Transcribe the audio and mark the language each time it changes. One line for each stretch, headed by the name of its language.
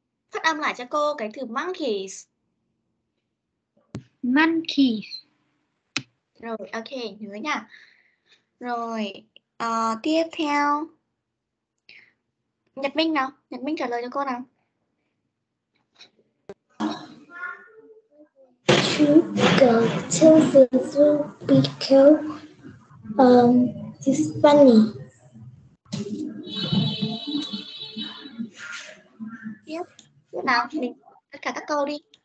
Vietnamese: Phát âm lại cho cô cái từ monkeys.
English: Monkeys.
Vietnamese: Rồi, ok, nhớ nha. Rồi, tiếp theo. Nhật Minh nào. Nhật Minh trả lời cho cô nào.
English: To go to the zoo because it's funny.
Vietnamese: Tiếp nào, mình tất cả các câu đi.